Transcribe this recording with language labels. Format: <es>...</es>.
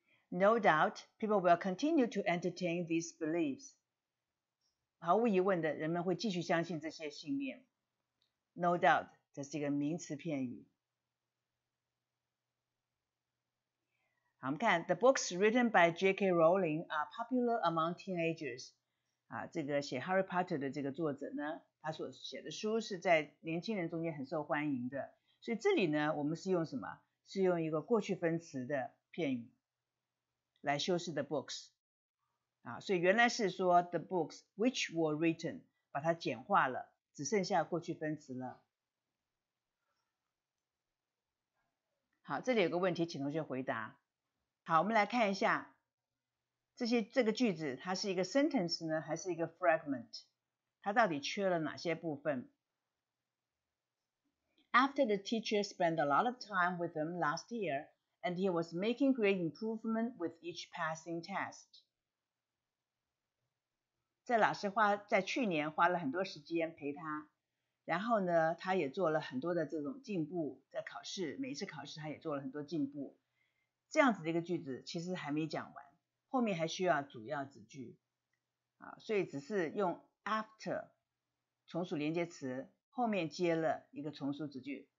<en>No doubt, people will continue to entertain these beliefs.</en> <zh>毫无疑问的，人们会继续相信这些信念。 No doubt, 这是一个名词片语。</zh> <en>好，我们看 The books written by J.K. Rowling are popular among teenagers.</en> <zh>啊，这个写 Harry Potter 的这个作者呢，他所写的书是在年轻人中间很受欢迎的。所以这里呢，我们是用什么？是用一个过去分词的片语来修饰 the books。啊，所以原来是说</zh> <en>the books which were written，</en> <zh>把它简化了，只剩下过去分词了。好，这里有个问题，请同学回答。好，我们来看一下这个句子，它是一个 sentence 呢，还是一个 fragment？它到底缺了哪些部分</zh> <en>？After the teacher spent a lot of time with him last year, and he was making great improvement with each passing test.</en> <zh>在老师花在去年花了很多时间陪他，然后呢，他也做了很多的这种进步，在考试每一次考试他也做了很多进步。这样子的一个句子其实还没讲完，后面还需要主要子句啊，所以只是用 after 从属连接词后面接了一个从属子句。</zh>